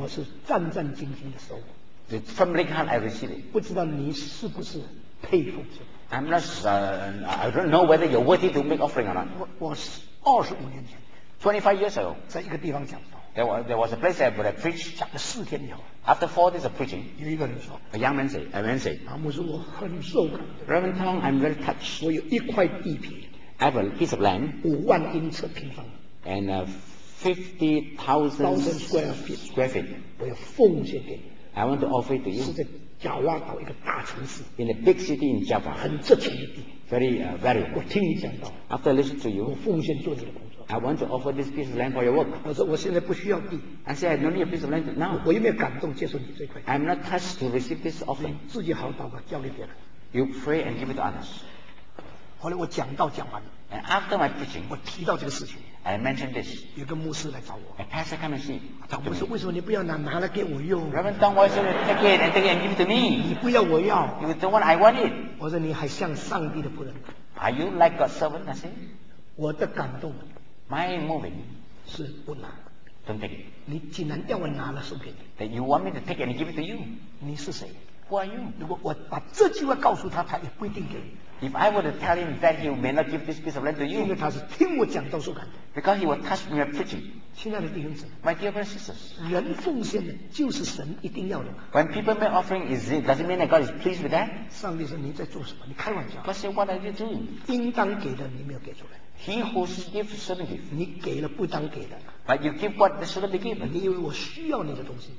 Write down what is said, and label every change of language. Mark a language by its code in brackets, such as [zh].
[zh] 我是战战兢兢的收。 [en] The trembling hand I receive it. [zh] 不知道你是不是配奉献。 [en] I'm not. I don't know whether you're worthy to make offering or not. [zh] 我是25年前。 [en] 25 years ago. [zh] 在一个地方讲。 [en] There was a place I would preach. [zh] 讲了四天以后 [en] ，After 4 days of preaching， [zh] 有一个人说 [en] ，A young man said， [zh] 牧师，我很受感 [en] ，Reverend Tom， I'm very touched。 [zh] 我有一块地皮 [en] ，I have a piece of land， [zh] 5万英尺平方 [en] ，and 50,000 square feet。 square feet， [zh] 我要奉献给你 [en] ，I want to offer it to you。 [zh] 是在甲哇岛一个大城市 [en] ，in a big city in Java， [zh] 很值钱的地 [en] ，very very。 [zh] 我听你讲到 [en] ，after listen to you， [zh] 我奉献做你的工作 [en] ，I want to offer this piece of land for your work。 [zh] 我说我现在不需要地 [en] ，I say I don't need a piece of land now。 [zh] 我有没有感动接受你这块 [en] ？I'm not touched to receive this offering。 [zh] 自己好祷告，交给别人。 [en] You pray and give it to others。 [zh] 后来我讲到讲完 [en] ，and after my preaching， [zh] 我提到这个事情。 [en] I mentioned this. [zh] 有个牧师来找我。 [en] A pastor came and see. [zh] 他不是为什么你不要拿来给我用 [en] ？Reverend Tong, why should you take it and take it and give it to me? [zh] 你不要我要。 [en] You don't want, I want it. [zh] 我说你还像上帝的仆人。 [en] Are you like God's servant? I say. [zh] 我的感动。 [en] My moving. [zh] 是不拿。 [en] Don't take it. [zh] 你竟然要我拿了送给你。 [en] That you want me to take it and give it to you. [zh] 你是谁 [en] ？Who are you? [zh] 如果我把这句话告诉他，他也不一定给你。 [en] If I were to tell him that he may not give this piece of land to you, [zh] 因为他是听我讲到受感动 [en] because he was touched by my preaching. [zh] 亲爱的弟兄姊妹 [en] my dear brothers and sisters, [zh] 人奉献的就是神一定要的。 [en] When people make offering, does it mean that God is pleased with that? [zh] 上帝说你在做什么？你开玩笑。 [en] God said, what are you doing? [zh] 应当给的你没有给出来。 [en] He who gives shouldn't give. [zh] 你给了不当给的。 [en] But you give what shouldn't be given. [zh] 你以为我需要你的东西